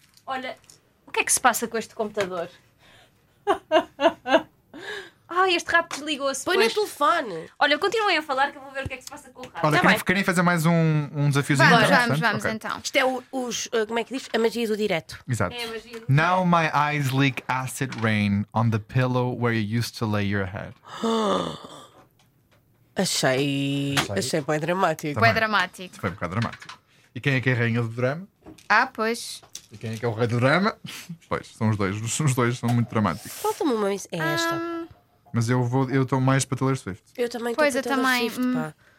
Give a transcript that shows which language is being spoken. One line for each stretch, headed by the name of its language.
Portuguese: Olha, o que é que se passa com este computador? Ai, este rap desligou-se. Põe no telefone. Olha, continuem a falar que eu vou ver o que é que se passa com o rap. Olha, tá, querem fazer mais um desafiozinho? Vamos, vamos então. Isto é os como é que diz? A magia do direto. Exato. É a magia do...
English: Now my eyes leak acid rain on the pillow where you used to lay your head.
Portuguese: Achei bem dramático. Foi dramático. Foi um bocado dramático. E quem é que é a rainha do drama? Ah, pois. E quem é que é o rei do drama? Pois, são os dois. Os dois são muito dramáticos. Falta-me uma. É esta. Mas eu estou mais para Taylor Swift. Eu também estou para Taylor Swift, pá.